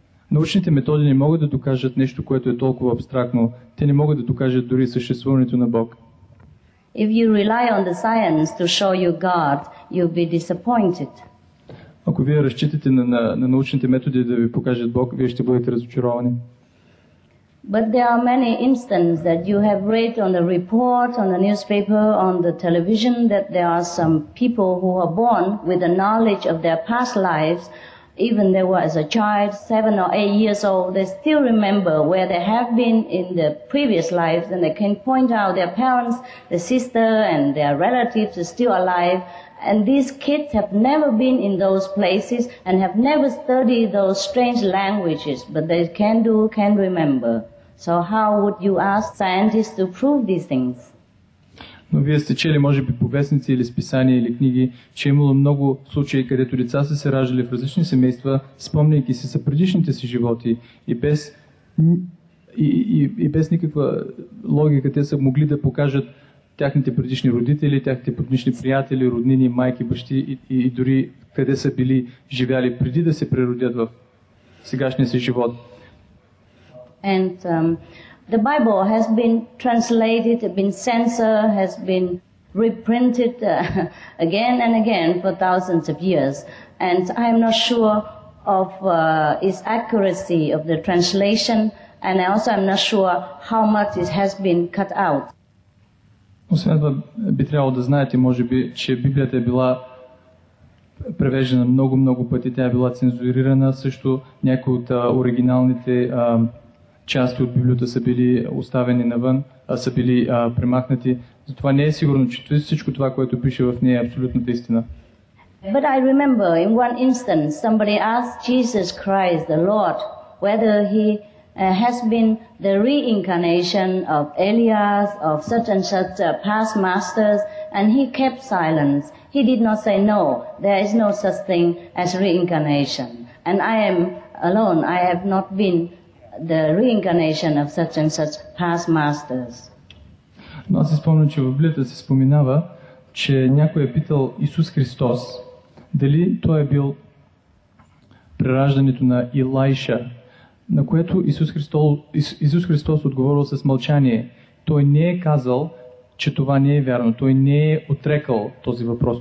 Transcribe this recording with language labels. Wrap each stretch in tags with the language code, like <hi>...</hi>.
<bg>Научните методи не могат да докажат нещо, което е толкова абстрактно. Те не могат да докажат дори съществуването на Бог.</bg> <en>If you rely on the science to show you God, you'll be disappointed.</en> <bg>Ако вие разчитате на научните методи да ви покажат Бог, вие ще бъдете разочаровани.</bg> <en>But there are many instances that you have read on the report, on the newspaper, on the television, that there are some people who are born with the knowledge of their past lives. Even they were as a child, 7 or 8 years old, they still remember where they have been in the previous lives, and they can point out their parents, their sister, and their relatives are still alive. And these kids have never been in those places and have never studied those strange languages, but they can remember. So how would you ask scientists to prove these things?</en> <bg>Но вие сте чели, може би, повестници или списания или книги, че е имало много случаи, където деца са се раждали в различни семейства, спомняйки се за предишните си животи и без никаква логика те са могли да покажат тяхните предишни родители, тяхните предишни приятели, роднини, майки, бащи и дори къде са били живяли преди да се преродят в сегашния си живот.</bg> <en>And The Bible has been translated, been censored, has been reprinted again and again for thousands of years. And I am not sure of its accuracy of the translation, and I also am not sure how much it has been cut out.</en> <bg>Освен това би трябвало да знаете, може би, че Библията е била превеждена много-много пъти, тя е била цензурирана, също някои от оригиналните части от Библията са били оставени навън, са били премахнати. Затова не е сигурно, че всичко това, което пише в нея, е абсолютната истина.</bg> <en>But I remember in one instance somebody asked Jesus Christ, the Lord, whether he has been the reincarnation of Elias, of such and such past masters, and he kept silence. He did not say no, there is no such thing as reincarnation. And I am alone, I have not been the reincarnation of such and such past masters.</en> <bg>Но аз си спомням, че в Библията се споменава, че някой е питал Исус Христос дали той е бил прераждането на Илайша, на което Исус Христос отговорил с мълчание. Той не е казал, че това не е вярно. Той не е отрекал този въпрос.</bg>